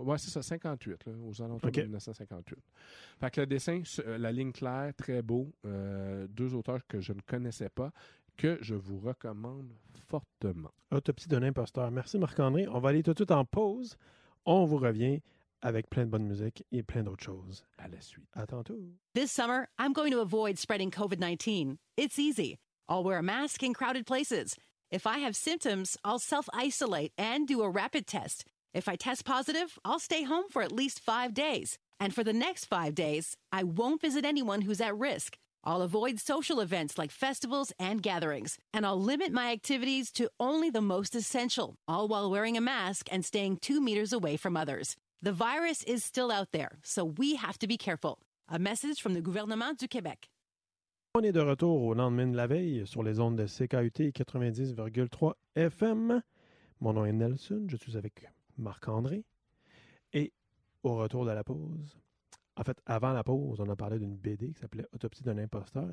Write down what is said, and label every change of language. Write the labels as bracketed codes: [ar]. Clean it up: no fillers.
[fr] Ouais, c'est ça, 58, là, aux alentours de 1958. Fait que le dessin, la ligne claire, très beau. Deux auteurs que je ne connaissais pas, que je vous recommande fortement. Autopsie d'un imposteur. Merci, Marc-André. On va aller tout de suite en pause. On vous revient avec plein de bonne musique et plein d'autres choses. À la suite. À tantôt. [en] This summer, I'm going to avoid spreading COVID-19. It's easy. I'll wear a mask in crowded places. If I have symptoms, I'll self-isolate and do a rapid test. If I test positive, I'll stay home for at least 5 days. And for the next 5 days, I won't visit anyone who's at risk. I'll avoid social events like festivals and gatherings. And I'll limit my activities to only the most essential, all while wearing a mask and staying 2 meters away from others. The virus is still out there, so we have to be careful. A message from the gouvernement du Québec. [fr] On est de retour au lendemain de la veille sur les ondes de CKUT 90,3 FM. Mon nom est Nelson, je suis avec Marc-André. Et au retour de la pause, en fait, avant la pause, on a parlé d'une BD qui s'appelait Autopsie d'un imposteur.